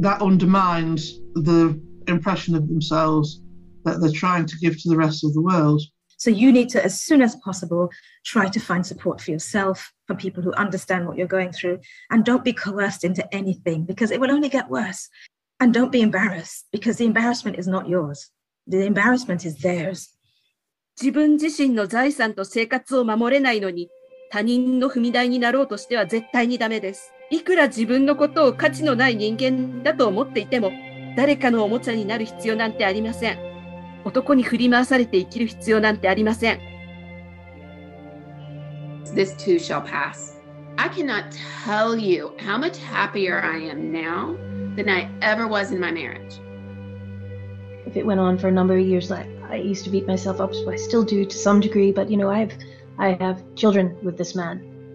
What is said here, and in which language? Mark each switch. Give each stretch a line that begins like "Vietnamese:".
English: That undermines the impression of themselves that they're trying to give to the rest of the world. So you need to, as soon as possible, try to find support for yourself, from people who understand what you're going through, and don't be coerced into anything, because it will only get worse. And don't be embarrassed, because the embarrassment is not yours. The embarrassment is theirs.
Japanese: 自分自身の財産と生活を守れないのに、他人の踏み台になろうとしては絶対にダメです。いくら自分のことを価値のない人間だと思っていても、誰かのおもちゃになる必要なんてありません。男に振り回されて生きる必要なんてありません。
English: This too shall pass. I cannot tell you how much happier I am now than I ever was in my marriage. If it went on for a number of years, I used to beat myself up, so I still do to some degree, but you know, I have children with this man.